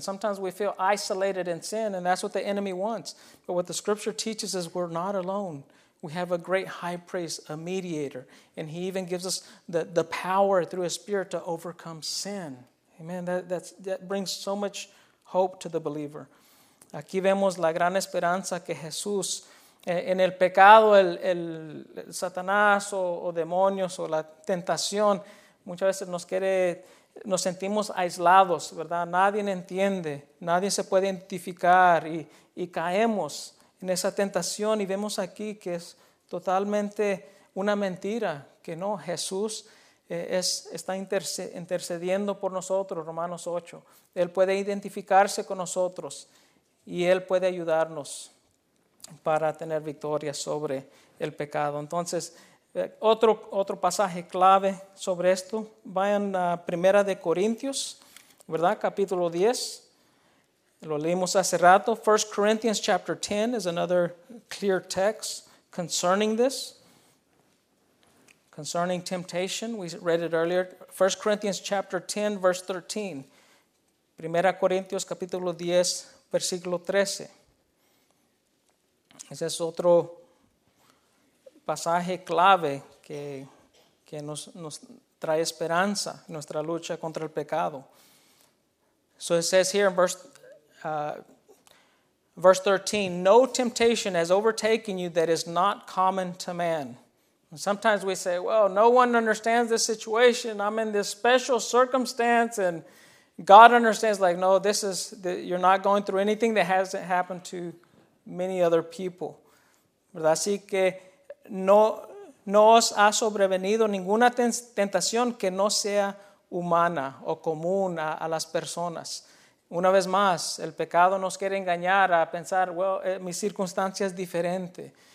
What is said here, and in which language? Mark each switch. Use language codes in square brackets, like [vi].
[en] Sometimes we feel isolated in sin, and that's what the enemy wants. But what the scripture teaches is we're not alone. We have a great high priest, a mediator, and he even gives us the power through his spirit to overcome sin. Amen. That brings so much hope to the believer. [es] Aquí vemos la gran esperanza que Jesús en el pecado, el Satanás o demonios o la tentación, muchas veces nos sentimos aislados, ¿verdad? Nadie entiende, nadie se puede identificar y caemos en esa tentación y vemos aquí que es totalmente una mentira, que no, Jesús está intercediendo por nosotros, Romanos 8. Él puede identificarse con nosotros y Él puede ayudarnos para tener victoria sobre el pecado. Entonces, otro pasaje clave sobre esto, vayan a Primera de Corintios, ¿verdad? Capítulo 10, lo leímos hace rato. [en] 1 Corinthians chapter 10 is another clear text concerning this, concerning temptation. We read it earlier. 1 Corinthians chapter 10, verse 13. [es] Primera Corintios, capítulo 10, versículo 13. Ese es otro pasaje clave que nos trae esperanza en nuestra lucha contra el pecado. [en] So it says here in verse 13, no temptation has overtaken you that is not common to man. And sometimes we say, well, no one understands this situation. I'm in this special circumstance and God understands, like, no, this is, you're not going through anything that hasn't happened to many other people. [es] ¿Verdad? Así que no os ha sobrevenido ninguna tentación que no sea humana o común a las personas. Una vez más, el pecado nos quiere engañar a pensar, [en] well, [es] mi circunstancia es diferente.